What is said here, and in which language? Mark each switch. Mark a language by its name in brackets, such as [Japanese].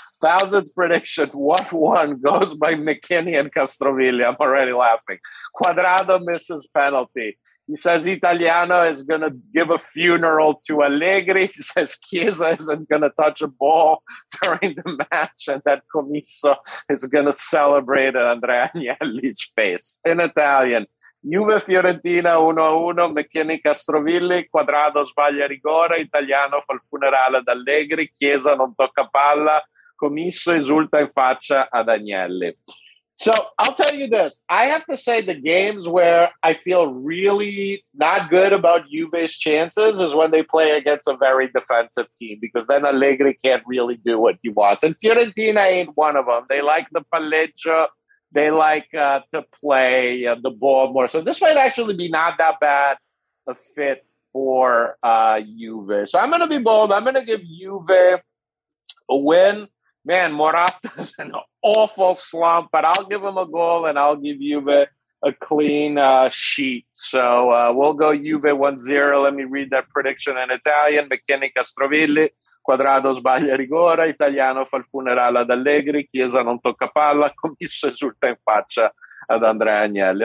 [English] Thousands prediction, 1-1 goes by McKinney and Castrovilla. I'm already laughing. Cuadrado misses penalty. He says Italiano is going to give a funeral to Allegri. He says Chiesa isn't going to touch a ball during the match and that Comiso is going to celebrate Andrea Agnelli's face. In Italian, [Italian] Juve Fiorentina 1-1, McKinney Castrovilli, Cuadrado sbaglia rigore, Italiano fa il funerale ad Allegri, Chiesa non tocca palla, Comiso esulta in faccia ad Agnelli. [English] So I'll tell you this, I have to say the games where I feel really not good about Juve's chances is when they play against a very defensive team, because then Allegri can't really do what he wants. And Fiorentina ain't one of them. They like the palleggio. They like to play the ball more. So this might actually be not that bad a fit for Juve. So I'm going to be bold. I'm going to give Juve a win. Man, Morata's in an awful slump, but I'll give him a goal and I'll give Juve a clean sheet. So we'll go Juve 1-0. Let me read that prediction in Italian. [Italian] McKinney Castrovilli, Cuadrado sbaglia rigore, Italiano fa il funerale ad Allegri, Chiesa non tocca palla, Comiso esulta in faccia ad Andrea Agnelli.